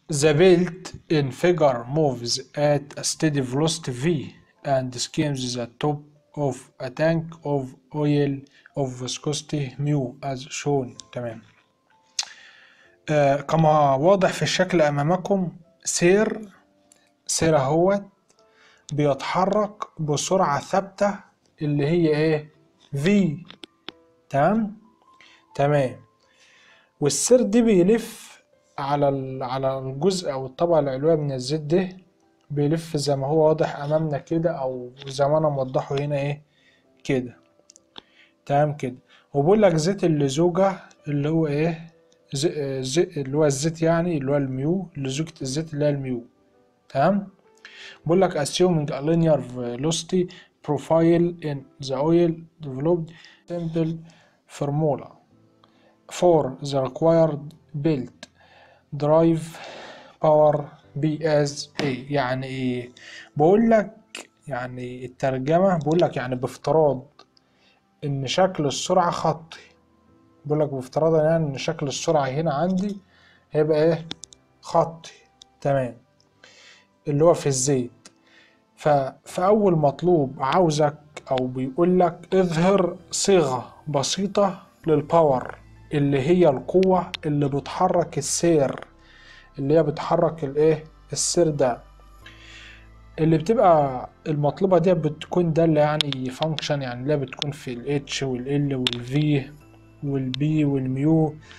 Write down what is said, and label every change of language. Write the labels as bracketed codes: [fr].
[en] The belt in figure moves at a steady velocity V and skims the top of a tank of oil of viscosity mu as shown. [ar] تمام. كما واضح في الشكل أمامكم سير هو بيتحرك بسرعة ثابتة اللي هي ايه في. تمام. والسير دي بيلف على الجزء او الطبقة العلوية من الزيت ده، بيلف زي ما هو واضح امامنا كده او زي ما انا موضحه هنا ايه كده. تمام كده. وبقول لك زيت اللزوجة اللي هو ايه زي اللي هو الزيت يعني اللي هو الميو لزوجة الزيت اللي هي الميو. تمام. بقول لك [en] assuming a linear velocity profile in the oil developed simple formula for the required belt drive power B as A. [ar] يعني بقول لك يعني الترجمة بقول لك يعني بافتراض ان شكل السرعة خطي، بقول لك بافتراض يعني ان شكل السرعة هنا عندي هيبقى ايه خطي. تمام. اللي هو في الزيت. فأول مطلوب عاوزك او بيقول لك اظهر صيغة بسيطة للباور اللي هي القوة اللي بتحرك السير، اللي هي بتحرك الايه السير ده، اللي بتبقى المطلوبة دي بتكون ده اللي يعني فانكشن، يعني اللي بتكون في الاتش والال والفي والبي والميو.